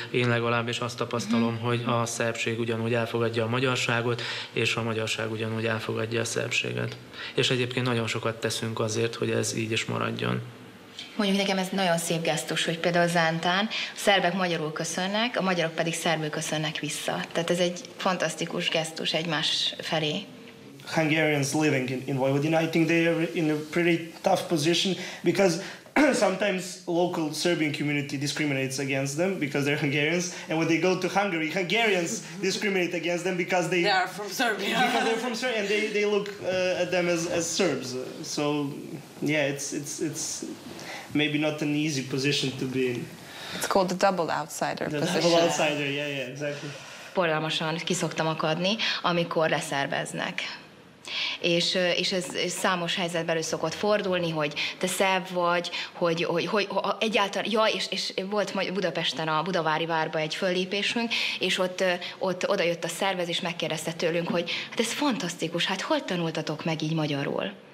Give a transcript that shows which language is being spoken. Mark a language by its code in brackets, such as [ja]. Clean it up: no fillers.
[hu] Én legalábbis azt tapasztalom, hogy a szerbség ugyanúgy elfogadja a magyarságot, és a magyarság ugyanúgy elfogadja a szerbséget. És egyébként nagyon sokat teszünk azért, hogy ez így is maradjon. Mondjuk nekem ez nagyon szép gesztus, hogy például Zántán a szerbek magyarul köszönnek, a magyarok pedig szerbül köszönnek vissza. Tehát ez egy fantasztikus gesztus egymás felé. [en] Hungarians living in Vojvodina, I think they are in a pretty tough position because sometimes local Serbian community discriminates against them because they're Hungarians, and when they go to Hungary, Hungarians discriminate against them because they are from Serbia. Because they're from Serbia, and they look at them as Serbs. So yeah, it's maybe not an easy position to be in. It's called the double outsider the position. The double outsider, yeah, exactly. [hu] Borzalmasan ki szoktam akadni, amikor leszerveznek. És ez számos helyzetben elő szokott fordulni, hogy te szebb vagy, hogy egyáltalán, ja, és volt Budapesten a Budavári Várba egy föllépésünk, és ott odajött a szervezés, megkérdezte tőlünk, hogy hát ez fantasztikus, hát hol tanultatok meg így magyarul?